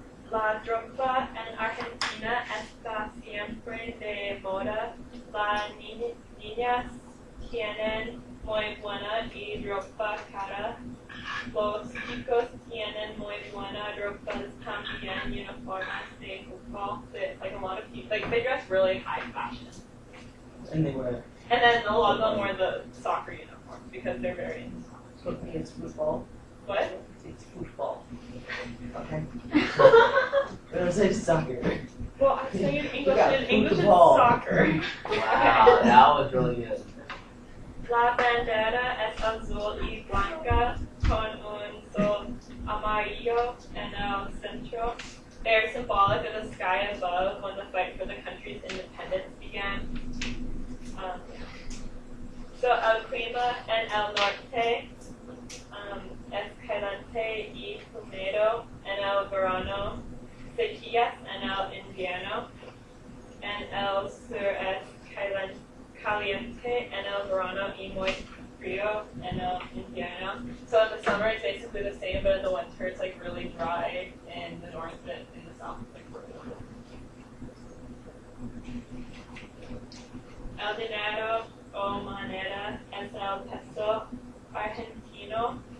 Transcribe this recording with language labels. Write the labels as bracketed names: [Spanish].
[Spanish] La trompa en Argentina está siempre de moda. Las niñas tienen muy buena y ropa cara. Los chicos tienen muy buena ropa también, uniformes de football. [English] Like a lot of people, like they dress really high fashion. And they wear. And then a lot of them wear the soccer uniforms because they're very into soccer. So it's football. What? It's football. Okay. But I say soccer. Well, I'm saying English is soccer. Wow, that was really good. [Spanish] La bandera es azul y blanca con un sol amarillo en el centro. [English] They're symbolic of the sky above when the fight for the country's independence began. [Spanish] So el clima en el norte es caliente y húmedo en el verano, sequías en el invierno, en el sur es caliente en el verano y muy frío en el invierno. [English] So in the summer it's basically the same, but in the winter it's like really dry in the north, but in the south it's like really warm. [Spanish] El dinero o moneda es el peso argentino.